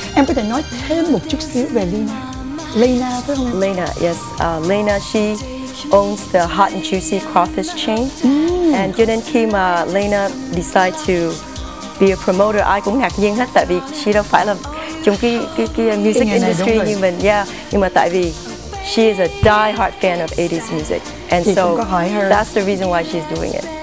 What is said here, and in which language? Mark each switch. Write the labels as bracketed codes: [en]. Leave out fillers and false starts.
[vi] Em có thể nói thêm một chút xíu về Lena phải không? [en] Lena, yes. Lena, she owns the Hot and Juicy Crawfish chain. [vi] And cho nên khi mà Lena [en] decide to be a promoter, [vi] ai cũng ngạc nhiên hết, tại vì she đâu phải là trong cái [en] music industry [vi] như mình. [en] Yeah, [vi] nhưng mà tại vì [en] she is a diehard fan of 80s music, and [vi] chị [en] so that's the reason why she's doing it.